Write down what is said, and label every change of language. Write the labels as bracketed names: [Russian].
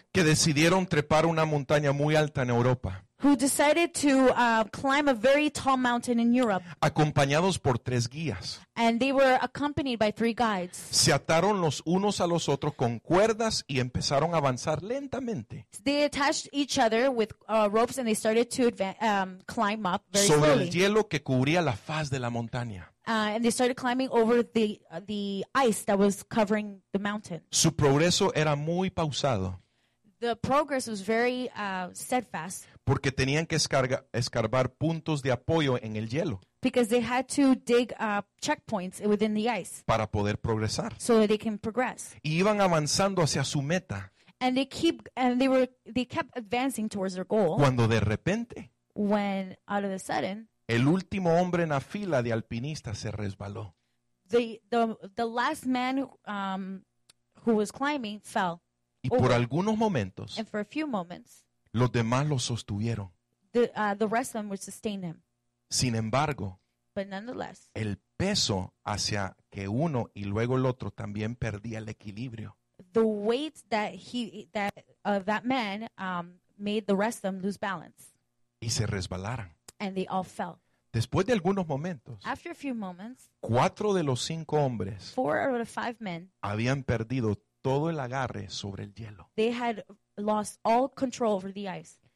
[Spanish] Que decidieron trepar una montaña muy alta en Europa. [English] Who decided to climb a very tall mountain in Europe. [Spanish] Acompañados por tres guías. [English] And they were accompanied by three guides. [Spanish] Se ataron los unos a los otros con cuerdas y empezaron a avanzar lentamente. [English] They attached each other with ropes and they started to climb up very [Spanish] sobre [English] slowly. [Spanish] El hielo que cubría la faz de la montaña. [English] And they started climbing over the ice that was covering the mountain. [Spanish] Su progreso era muy pausado. [English] The progress was very steadfast. [Spanish] Porque tenían que escarbar puntos de apoyo en el hielo. [English] Because they had to dig checkpoints within the ice. [Spanish] Para poder progresar. [English] So that they can progress. [Spanish] Y iban avanzando hacia su meta. [English] And they kept advancing towards their goal. [Spanish] Cuando de repente. [English] When out of a sudden. [Spanish] El último hombre en la fila de alpinistas se resbaló. [English] The last man who was climbing fell. [Spanish] Y por algunos momentos, [English] and for a few moments, [Spanish] los demás lo sostuvieron. [English] The rest of them would sustain him. [Spanish] Sin embargo, [English] but nonetheless, [Spanish] el peso hacia que uno y luego el otro también perdía el equilibrio. [English] The weight that man made the rest of them lose balance. [Spanish] Y se resbalaran. [English] And they all fell. [Spanish] Después de algunos momentos, [English] after a few moments, [Spanish] cuatro de los cinco hombres, [English] four out of five men, [Spanish] habían perdido todo el agarre sobre el hielo. [English] They had lost all control over the ice.